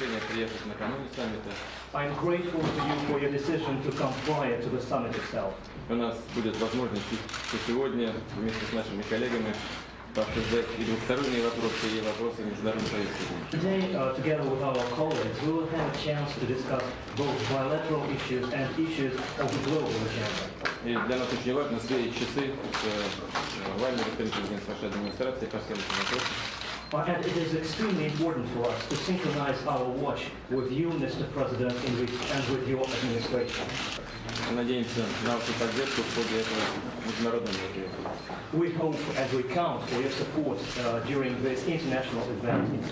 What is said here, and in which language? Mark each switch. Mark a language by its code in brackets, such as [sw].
[en] I'm grateful to you for your decision to come prior to the summit itself. [ru] У нас будет возможность и сегодня вместе с нашими коллегами обсуждать и двусторонние вопросы, и вопросы международной политики. [en] Today, together with our colleagues, we will have a chance to discuss both bilateral issues and issues of the global agenda. [ru] И для нас очень важно сверить часы с вами, президентом вашей администрации, по следующим вопросам. [en] And it is extremely important for us to synchronize our watch with you, Mr. President, and with your administration. [ru] Надеемся на вашу поддержку в ходе этого международного мероприятия. [en] We hope and we count for your support during this international event.